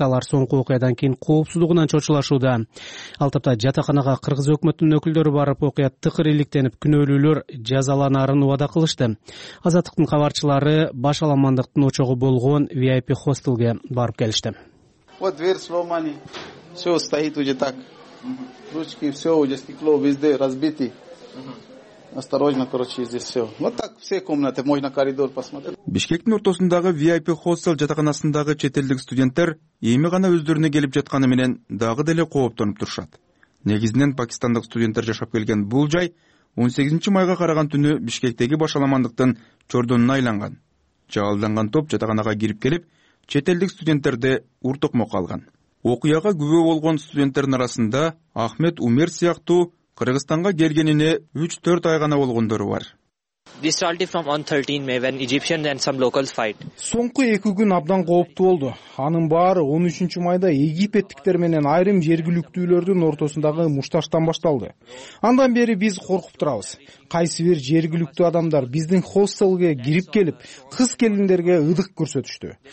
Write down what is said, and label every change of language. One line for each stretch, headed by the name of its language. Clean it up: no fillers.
Kyrgyz: Алар соңку окуядан кийин коопсуздугунан чочулашууда. Ал тапта жатаканага кыргыз өкмөтүнүн өкүлдөрү барып, окуя тыкыр иликтенип, күнөөлүүлөр жазаланарын убада кылышты. Азаттыктын кабарчылары баш аламандыктын очогу болгон VIP хостелге барып келишти.
Russian: Вот дверь сломана. Все стоит уже так. Ручки, все уже стекло везде разбиты. Осторожно, короче, здесь все. Вот так все комнаты, можно коридор посмотреть.
Kyrgyz: Бишкектин ортосундагы VIP хостел жатаканасындагы чет элдик студенттер эми гана өздөрүнө келип жатканы менен дагы деле кооптонуп турушат. Негизинен пакистандык студенттер жашап келген бул жай 18 майга караган түнү Бишкектеги баш аламандыктын чордонуна айланган. Жаалданган топ жатаканага кирип келип, чет элдик студенттерди уртукмок алган. Окуяга күбө болгон студенттердин арасында Ахмет Умер сыяктуу Кыргызстанга келгенине 3-4 ай гана болгондору бар.
English: This started from 1/13 May when Egyptians and some locals fight.
Kyrgyz: Соңку 2 күн абдан кооптуу болду. Анын баары 13 майда египеттиктер менен айрым жергиликтүүлөрдүн ортосундагы мушташтан башталды. Андан бери биз коркуп турабыз. Кайсы бир жергиликтүү адамдар биздин хостелге кирип келип, кыз келиндерге ыдык көрсөтүштү.